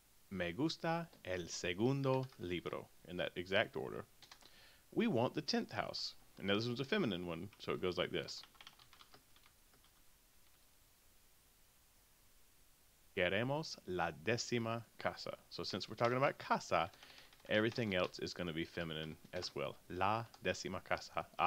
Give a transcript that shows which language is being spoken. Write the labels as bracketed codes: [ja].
[es] Me gusta el segundo libro, [en] in that exact order. We want the 10th house. And now this one's a feminine one, so it goes like this. [es] Queremos la décima casa. [en] So since we're talking about casa, everything else is going to be feminine as well. [es] La décima casa.